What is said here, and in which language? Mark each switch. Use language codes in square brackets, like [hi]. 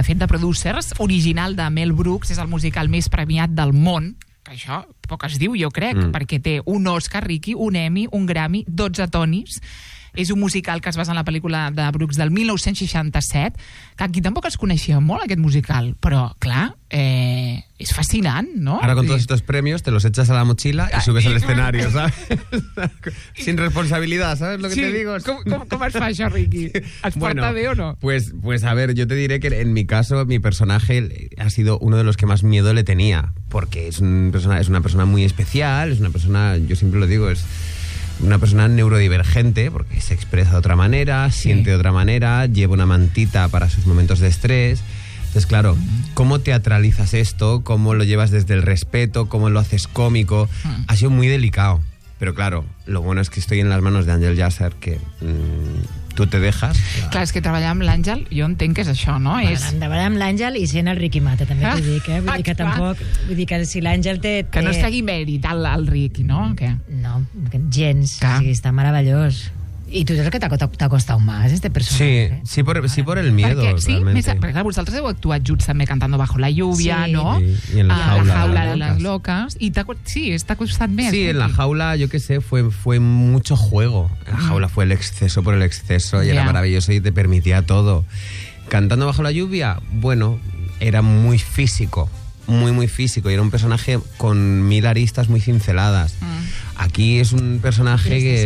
[ca] De fet, The Producers, original de Mel Brooks, és el musical més premiat del món, que això poc es diu, jo crec, perquè té un Oscar, Ricky, un Emmy, un Grammy, 12 Tonys. És un musical que es basa en la pel·lícula de Brooks del 1967, que aquí tampoc es coneixia molt, aquest musical, però, clar, és fascinant, no? [es] Ara, con todos estos premios, te los echas a la mochila y subes al escenario, ¿sabes? Sin responsabilidad, ¿sabes lo que te digo? [ca] Sí, ¿cómo es fa això, Ricky? ¿Es porta bé o no? [es] Pues, a ver, yo te diré que en mi caso, mi personaje ha sido uno de los que más miedo le tenía, porque es una persona muy especial, es una persona, yo siempre lo digo, es... una persona neurodivergente, porque se expresa de otra manera, siente de otra manera, lleva una mantita para sus momentos de estrés. Entonces, claro, ¿cómo teatralizas esto? ¿Cómo lo llevas desde el respeto? ¿Cómo lo haces cómico? Ha sido muy delicado. Pero claro, lo bueno es que estoy en las manos de Àngel Llàcer, que... [ca] tu te deixes. Clar, és que treballar amb l'Àngel, jo entenc que és això, no? Bueno, és... Treballar amb l'Àngel i sent el Riqui Mata, també t'ho dic, eh? Vull dir que tampoc... Vull dir que si l'Àngel té... Que no es tregui mèrit al Riqui, no? Què? No, gens. O sigui, està meravellós. I tu saps que t'ha costat un mas, este personatge? [es] Sí, sí, sí, por el miedo, [ca] perquè, sí, [es] realmente. [ca] Més, perquè clar, vosaltres heu actuat junts també cantando bajo la lluvia, sí. No? [es] Sí, en la jaula. La jaula de las locas. [ca] I t'ha costat més. [es] Sí, en la jaula, [ca] jo què sé, [es] fue mucho juego. La jaula fue el exceso por el exceso y era maravilloso y te permitía todo. Cantando bajo la lluvia, bueno, era muy físico. Muy, muy físico. Y era un personaje con mil aristas muy cinceladas. Aquí es un personaje que...